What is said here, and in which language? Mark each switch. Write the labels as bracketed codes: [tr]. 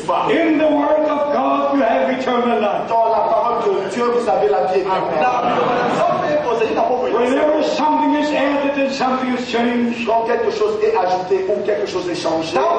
[en] In the word of God, you have eternal life. [fr] Dans la parole de Dieu, vous avez la vie éternelle. [en] Whenever something is added and something is changed, [fr] quand quelque chose est ajouté ou quelque chose est changé,